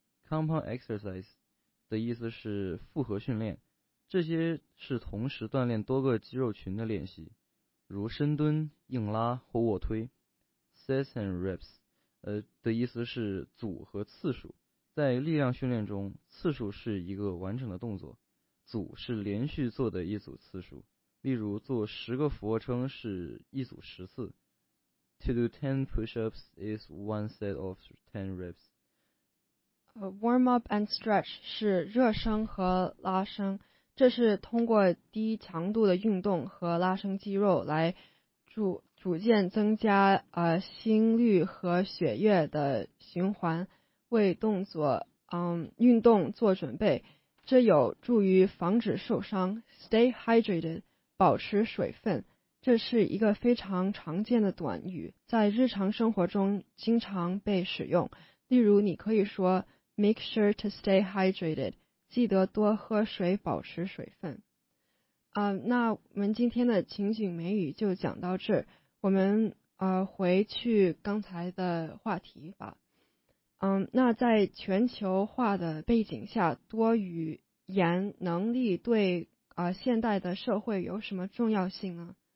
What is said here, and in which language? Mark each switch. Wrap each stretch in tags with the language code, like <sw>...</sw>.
<zh>compound exercise 的意思是复合训练，这些是同时锻炼多个肌肉群的练习，如深蹲、硬拉或卧推。 sets and reps 的意思是组和次数，在力量训练中，次数是一个完整的动作，组是连续做的一组次数，例如做10个俯卧撑是一组10次。</zh> <en>To do 10 push-ups is one set of 10 reps. Warm-up and stretch</en> <zh>是热身和拉伸，这是通过低强度的运动和拉伸肌肉来逐渐增加心率和血液的循环，为动作运动做准备，这有助于防止受伤。</zh> <en>Stay hydrated,</en> <zh>保持水分。这是一个非常常见的短语，在日常生活中经常被使用。例如你可以说</zh> <en>make sure to stay hydrated.</en> <zh>记得多喝水，保持水分。那我们今天的情景美语就讲到这儿，我们回去刚才的话题吧。那在全球化的背景下，多语言能力对现代的社会有什么重要性呢？</zh>